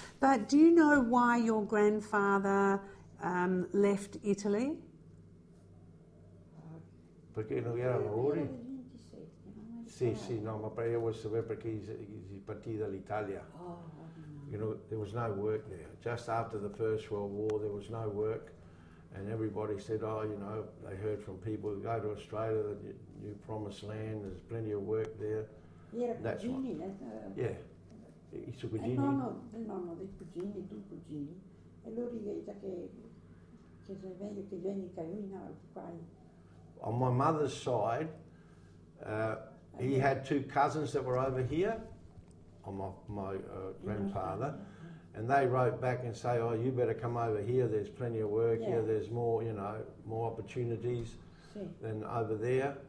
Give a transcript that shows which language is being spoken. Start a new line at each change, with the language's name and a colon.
English: But do you know why your grandfather left Italy?
Italian: Perché non era lavori? Sì, no, ma per io voglio sapere perché si partì dall'Italia.
English: You know, there was no work there. Just after the First World War, there was no work. And everybody said, oh, you know, they heard from people who go to Australia, the new promised land, there's plenty of work there. That's what.
Italian: Yeah. I suoi cugini? No, no, il nonno dei cugini, due cugini. E lui dice che se meglio che vieni in Italia.
English: On my mother's side, he had two cousins that were over here, on my grandfather, and they wrote back and say, oh, you better come over here, there's plenty of work here, there's more, you know, more opportunities than over there.